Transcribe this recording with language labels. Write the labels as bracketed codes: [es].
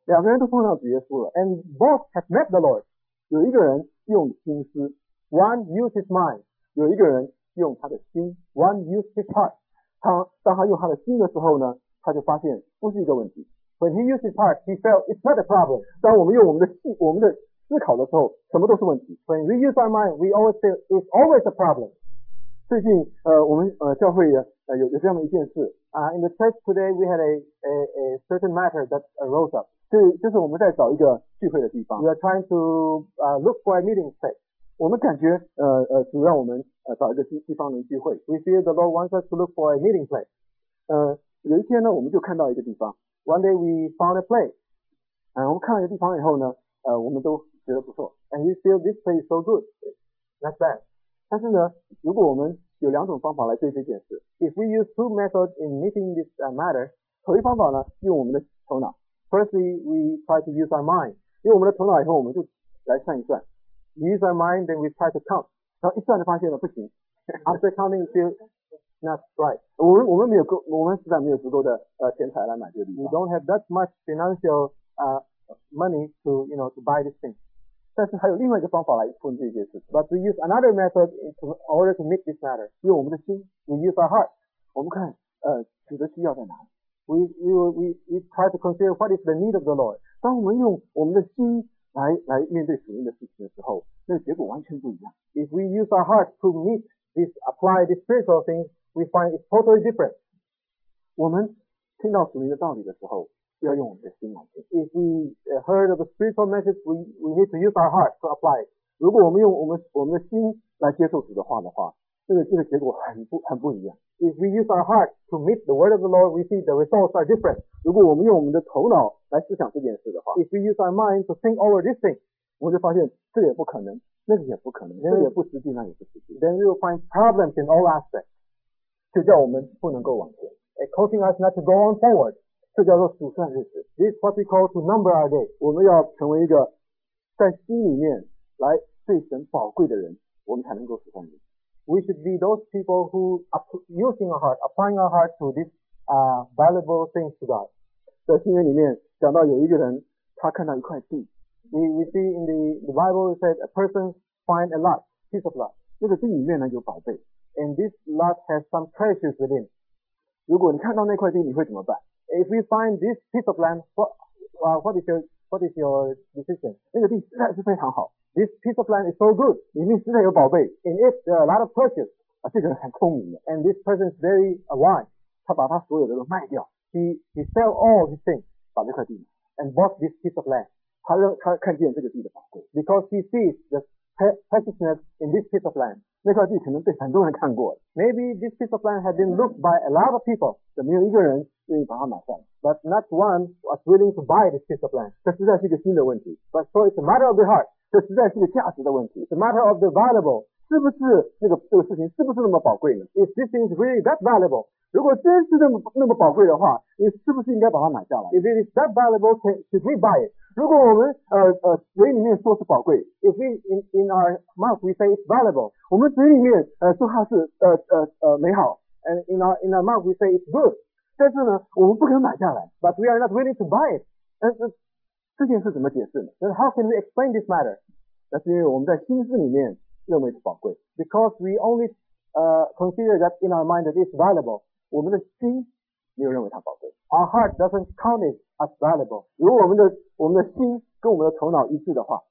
[zh] 两个人都碰到主耶稣了。 [en] And both have met the Lord. [zh] 有一个人用心思。 [en] One used his mind. [zh] 有一个人用他的心 [en] ，one used his heart. [zh] 当他用他的心的时候呢，他就发现不是一个问题。 [en] When he used his heart, he felt it's not a problem. [zh] 当我们用我们的思考的时候，什么都是问题。 [en] When we use our mind, we always feel it's always a problem. [zh] 最近我们教会有这样的一件事啊。 [en] In the church today, we had a certain matter that arose up. [zh] 就是我们在找一个聚会的地方。 [en] We are trying to look for a meeting place. [zh] 我们感觉主让我们找一个地方能聚会。 [en] We feel the Lord wants us to look for a meeting place. [zh] 有一天呢我们就看到一个地方。 [en] One day we found a place. [zh] 我们看到一个地方以后呢我们都觉得不错。 [en] And we feel this place is so good. That's bad. [zh] 但是呢如果我们有两种方法来对这件事。 [en] If we use two methods in meeting this matter. [zh] 头一方法呢用我们的头脑。 [en] Firstly, we try to use our mind. [zh] 用我们的头脑以后我们就来算一算。 [en] Use our mind, then we try to count. [zh] 然后一算就发现了不行。 [en] After counting, it feels not right. [zh] 我们没有够，我们实在没有足够的钱财来买这个地方。 [en] We don't have that much financial money to you know to buy this thing. [zh] 但是还有另外一个方法来分这件事。 [en] But we use another method in order to make this matter. [zh] 用我们的心 [en] ，we use our heart. [zh] 我们看主的需要在哪里。 [en] We try to consider what is the need of the Lord. [zh] 当我们用我们的心来面对属灵的事情的时候，那个结果完全不一样。 [en] If we use our heart to meet this, apply the spiritual things, we find it's totally different. [zh] 我们听到属灵的道理的时候，要用我们的心来听。 [en] If we heard of a spiritual message, we need to use our heart to apply it. [zh] 如果我们用我们的心来接受主的话的话，这个结果很不一样。 [en] If we use our heart to meet the word of the Lord, we see the results are different. [zh] 如果我们用我们的头脑来思想这件事的话 [en] ，If we use our mind to think over this thing, [zh] 我们就发现这也不可能，那个也不可能，这也不实际，那也不实际。 [en] Then we will find problems in all aspects. [zh] 就叫我们不能够往前 [en] ，It's causing us not to go on forward. [zh] 这叫做数算日子。 [en] This is what we call to number our days. [zh] 我们要成为一个在心里面来对神宝贵的人，我们才能够数算日子。 [en] We should be those people who are using our heart, applying our heart to this valuable things to God. [zh] 在新约里面讲到有一个人，他看到一块地。 [en] We see in the Bible it says a person find a lot, piece of lot. [zh] 那个地里面呢有宝贝。 [en] And this lot has some treasures within. [zh] 如果你看到那块地，你会怎么办 [en] ？If we find this piece of land, what is your decision? [zh] 那个地实在是非常好。 [en] This piece of land is so good. [zh] 里面实在有宝贝。 [en] And it, there are a lot of treasures. [zh] 啊，这个人很聪明的。 [en] And this person is very wise. [zh] 他把他所有的都卖掉。 [en] He sell all his things. [zh] 把这块地买。 [en] And bought this piece of land. [zh] 他看见这个地的宝贵。 [en] Because he sees the preciousness in this piece of land. [zh] 那块地可能被很多人看过了。 [en] Maybe this piece of land had been looked by a lot of people. [zh] 但没有一个人愿意把它买下来。 [en] But not one was willing to buy this piece of land. [zh] 这实在是一个新的问题。 [en] But so it's a matter of the heart. [zh] 这实在是个价值的问题。 [en] It's a matter of the valuable. [zh] 是不是这个事情是不是那么宝贵呢 [en] ？Is this thing really that valuable? [zh] 如果真是那么宝贵的话，你是不是应该把它买下来 [en] ？If it is that valuable, should we buy it? [zh] 如果我们嘴里面说是宝贵 [en] ，If we in our mouth we say it's valuable, [zh] 我们嘴里面说它是美好 [en] ，and in our mouth we say it's good, [zh] 但是呢，我们不肯买下来 [en] ，But we are not willing to buy it. [zh] 这件事怎么解释呢 [en] ？Then how can we explain this matter？ [zh] 那是因为我们在心思里面认为是宝贵。 [en] Because we only consider that in our mind that it's valuable， [zh] 我们的心没有认为它宝贵。 [en] Our heart doesn't count it as valuable。 [zh] 如果我们的心跟我们的头脑一致的话